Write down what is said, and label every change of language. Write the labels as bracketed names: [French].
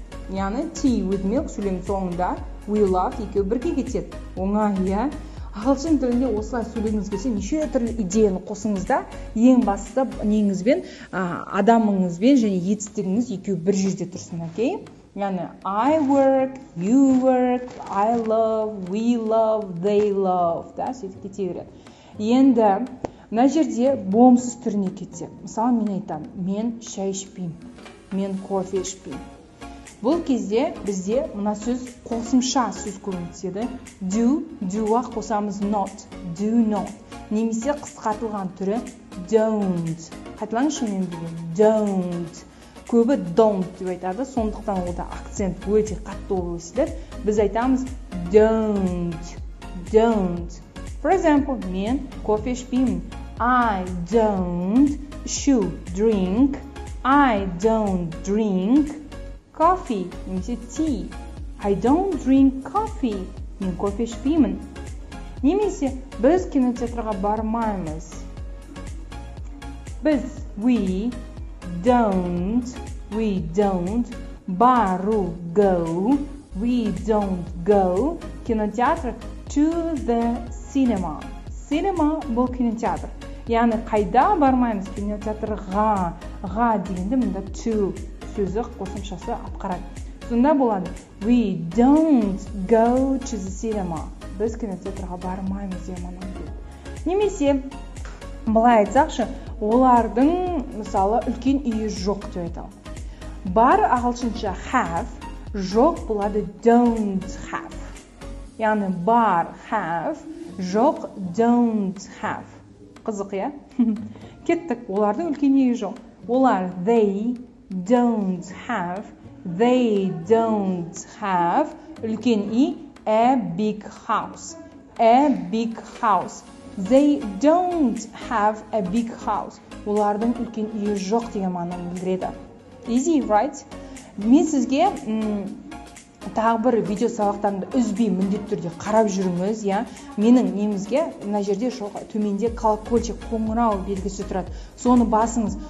[Kazakh] Яғни [English] tea with milk [Kazakh] сөйлемнің соңында we love екеуі бірге кетеді. Оңай, иә? Ағылшын тілінде осылай сөйлегіңіз келсе, неше түрлі идеяны қосыңыз да, ең бастысы неңізбен, адамыңызбен және етістігіңіз екеуі бір жерде тұрсын, окей? Яғни [English] I work, you work, I love, we love, they love, [Kazakh] да, сөйтіп кете береді. Енді мына жерде болымсыз түріне кетсе, мысалы мен айтамын, мен шай ішпеймін, мен кофе ішпеймін. Бұл кезде бізде мына сөз қосымша сөз көрінеді. Do, do-ға қосамыз not, do not. Немесе қысқартылған түрі don't. Қайталаңызшы мен деген don't. Көбі don't деп айтады, сондықтан ол да акцент өте қатты болып өседі. Біз айтамыз don't, don't. [English] For example, [Kazakh] мен кофе ішпеймін. [English] I don't should drink. I don't drink coffee. Немесе tea. I don't drink coffee. [Kazakh] Мен кофе ішпеймін. Немесе біз кинотеатрға бармаймыз. [English] Біз we don't бару go. We don't go кинотеатр to the cinema. [Kazakh] Cinema бұл кинотеатр. Яғни қайда бармаймыз кинотеатрға? Ға дегенде мында to сөзі қосымшасы атқарады. Сонда болады. [English] We don't go to the cinema. [Kazakh] Біз кинотеатрға бармаймыз деймін. Немесе былай айтсақшы, олардың мысалы үлкен үйі жоқ деп айтамын. Бар ағылшынша have, жоқ болады don't have. Яғни бар have, жоқ don't have. Қызық, иә? Кеттік. Олардың үлкен үйі жоқ. Олар [English] they don't have [Kazakh] үлкен үй, [English] a big house. They don't have a big house. [Kazakh] Олардың үлкен үйі жоқ деген мағынаны білдіреді. [English] Easy, right? [Kazakh] Мен сізге тағы бір видео сабақтарымды үзбей міндетті түрде қарап жүріңіз, иә. Менің немізге мына жерде жоқ, төменде колокольчик, қоңырау белгісі тұрады. Соны басыңыз.